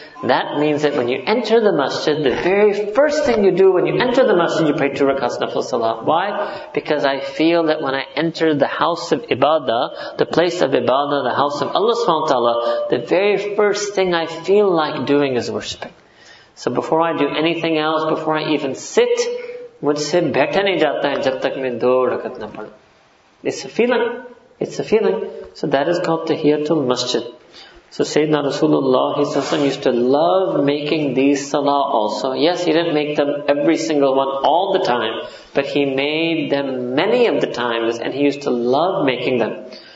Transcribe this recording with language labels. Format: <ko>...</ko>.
<en>That means that when you enter the masjid, the very first thing you do when you enter the masjid, you pray 2 rakats nafil salah. Why? Because I feel that when I enter the house of ibadah, the place of ibadah, the house of Allah subhanahu wa ta'ala, the very first thing I feel like doing is worshipping. So before I do anything else, before I even sit,</en> <ur>مجھ سے بیٹھا نہیں جاتا ہے جب تک میں 2 رکعت نہ پڑھوں۔</ur> <en>It's a feeling. It's a feeling. So that is called Tahiyatul Masjid. So Sayyidina Rasulullah used to love making these salah also. Yes, he didn't make them every single one all the time, but he made them many of the times, and he used to love making them.</en>